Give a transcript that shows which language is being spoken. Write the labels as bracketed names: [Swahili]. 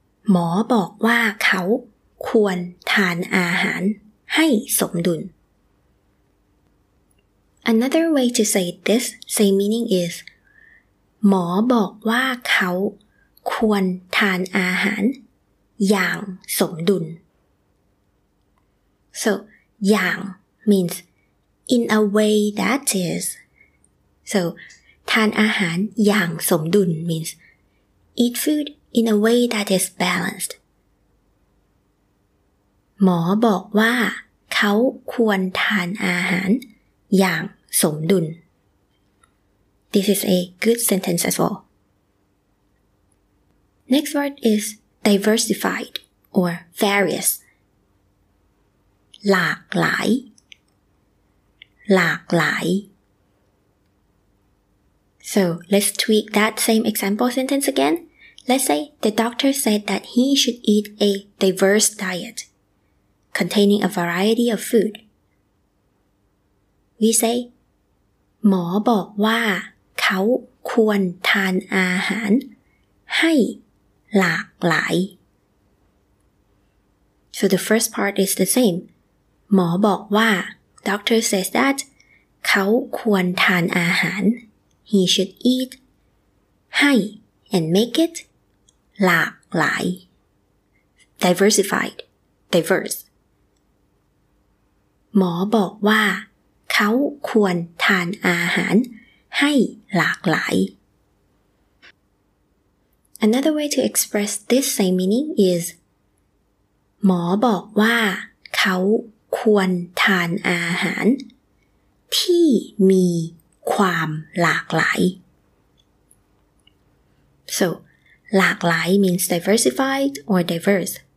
[Thai] หมอบอกว่าเขาควรทานอาหารให้สมดุล [English] Another way to say this same meaning is [Thai] หมอบอกว่าเขาควรทานอาหารอย่างสมดุล [English] So, อย่าง means in a way that is So, [Thai] ทานอาหารอย่างสมดุล [English] means eat food in a way that is balanced [Thai] หมอบอกว่าเขาควรทานอาหารอย่างสมดุล [English] This is a good sentence as wellNext word is diversified or various. [Thai] หลากหลายหลากหลาย [English] So, let's tweak that same example sentence again. Let's say the doctor said that he should eat a diverse diet containing a variety of food. We say, [Thai] หมอบอกว่าเขาควรทานอาหารให้หลากหลาย [English] So the first part is the same [Thai] หมอบอกว่า [English] Doctor says that [Thai] เขาควรทานอาหาร [English] He should eat ให้ and make it หลากหลาย Diversified Diverse [Thai] หมอบอกว่าเขาควรทานอาหารให้หลากหลาย [English] Another way to express this same meaning is [Thai] หมอบอกว่าเขาควรทานอาหารที่มีความหลากหลาย [English] So, หลากหลาย means diversified or diverse.